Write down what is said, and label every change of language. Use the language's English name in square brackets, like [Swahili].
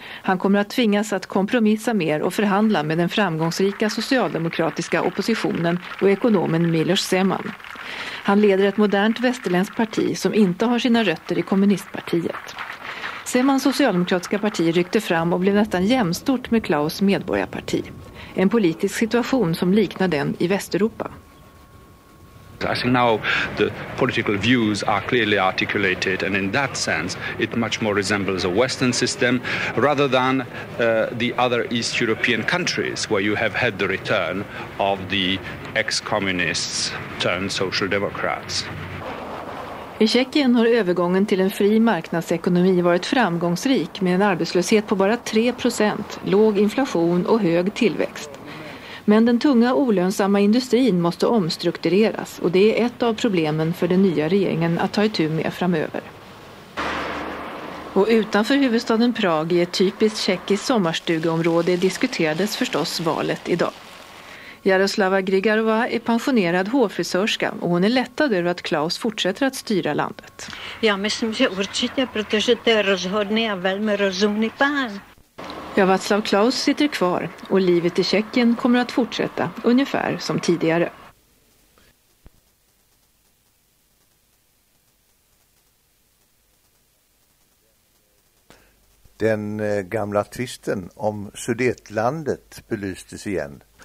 [Swedish] Han kommer att tvingas att kompromissa mer och förhandla med den framgångsrika socialdemokratiska oppositionen och ekonomen Miloš Zeman. Han leder ett modernt västerländskt parti som inte har sina rötter i kommunistpartiet. Zemans socialdemokratiska parti ryckte fram och blev nästan jämstort med Klaus medborgarparti. En politisk situation som liknar den i Västeuropa. [English] I think now the political views are clearly articulated, and in that sense it much more resembles a Western system rather than the other East European countries where you have had the return of the ex-communists turned social democrats. [Swedish] I Tjeckien har övergången till en fri marknadsekonomi varit framgångsrik, med en arbetslöshet på bara 3%, låg inflation och hög tillväxt. Men den tunga olönsamma industrin måste omstruktureras, och det är ett av problemen för den nya regeringen att ta itu med framöver. Och utanför huvudstaden Prag i ett typiskt tjeckiskt sommarstugeområde diskuterades förstås valet idag. Jaroslava Grigarova är pensionerad hårfrisörska, och hon är lättad över att Klaus fortsätter att styra landet. [Czech] Ja, myslím, že určitě, protože to je rozhodný a velmi rozumný pán. [Swedish] Ja, Václav Klaus sitter kvar, och livet i Tjeckien kommer att fortsätta ungefär som tidigare. Den gamla tvisten om Sudetlandet belystes igen.